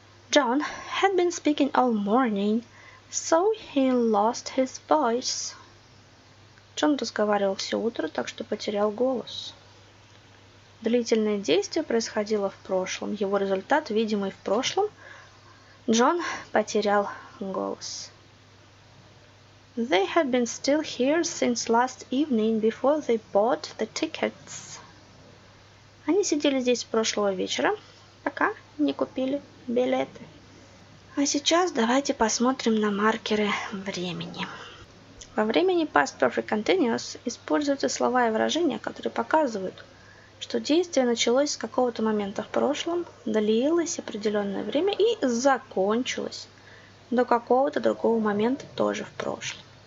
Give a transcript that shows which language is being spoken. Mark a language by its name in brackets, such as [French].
[English] John had been speaking all morning, so he lost his voice. [Russian] Джон разговаривал все утро, так что потерял голос. Длительное действие происходило в прошлом. Его результат, видимый в прошлом, Джон потерял голос. [English] They had been still here since last evening before they bought the tickets. [Russian] Они сидели здесь с прошлого вечера, пока не купили билеты. А сейчас давайте посмотрим на маркеры времени. Во времени past perfect continuous используются слова и выражения, которые показывают, что действие началось с какого-то момента в прошлом, длилось определенное время и закончилось до какого-то другого момента тоже в прошлом.